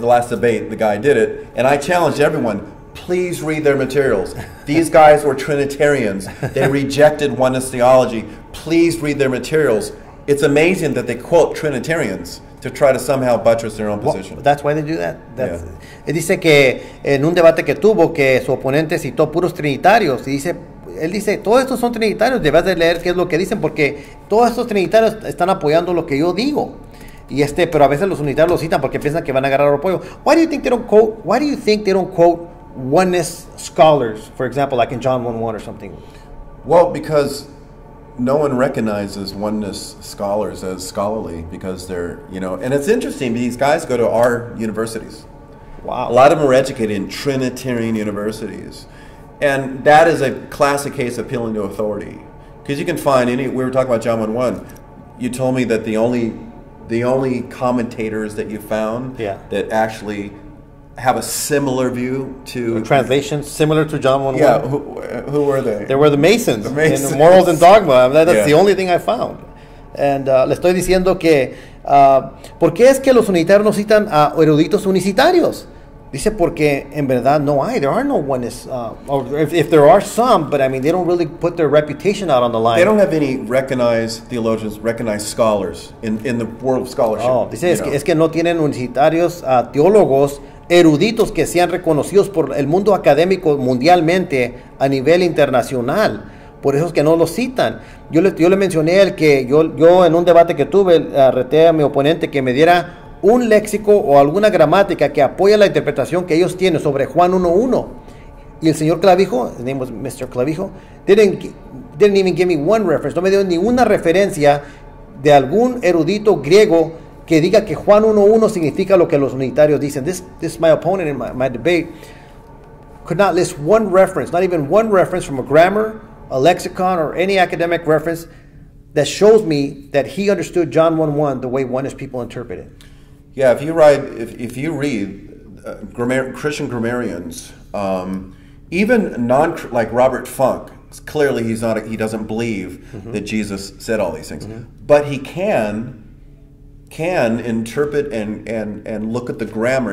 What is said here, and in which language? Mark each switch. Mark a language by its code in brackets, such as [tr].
[en] The last debate, the guy did it, and I challenged everyone, please read their materials. These guys were Trinitarians. They rejected oneness theology. Please read their materials. It's amazing that they quote Trinitarians to try to somehow buttress their own position. Well, that's why they do that. Yeah. [es] Dice que en un debate que tuvo que su oponente citó puros trinitarios y dice, él dice, todos estos son trinitarios, debes de leer qué es lo que dicen porque todos estos trinitarios están apoyando lo que yo digo. Y pero a veces los unitarios lo citan porque piensan que van a agarrar apoyo. [en] Why do you think they don't quote oneness scholars, for example, like in John 1:1 or something? Well, because no one recognizes oneness scholars as scholarly because they're, you know, and it's interesting, these guys go to our universities. Wow. A lot of them are educated in Trinitarian universities. And that is a classic case appealing to authority. Because you can find any, we were talking about John 1:1. You told me that the only commentators that you found that actually have a similar view to a translation similar to John 1:1. Yeah, who were they? They were the Masons. The Masons. In Morals and Dogma. That's the only thing I found. [es] And le estoy diciendo que ¿por qué es que los unitarios no citan a eruditos unicitarios? Dice porque en verdad no hay. [en] There are no oneness. If there are some, but I mean they don't really put their reputation out on the line. They don't have any recognized theologians, recognized scholars in the world of scholarship. [es] Oh, dice es que no tienen unicitarios teólogos eruditos que sean reconocidos por el mundo académico mundialmente a nivel internacional, por eso es que no los citan. Yo le mencioné el que yo en un debate que tuve reté a mi oponente que me diera un léxico o alguna gramática que apoya la interpretación que ellos tienen sobre Juan 1:1. Y el señor Clavijo, [en] his name was Mr. Clavijo, didn't even give me one reference, [es] no me dio ni una referencia de algún erudito griego que diga que Juan 1:1 significa lo que los unitarios dicen. [en] This my opponent in my debate could not list one reference, not even one reference from a grammar, a lexicon, or any academic reference that shows me that he understood John 1:1 the way oneness people interpret it. Yeah, if you read Christian grammarians, even non like Robert Funk, clearly he doesn't believe that Jesus said all these things, but he can interpret and look at the grammar.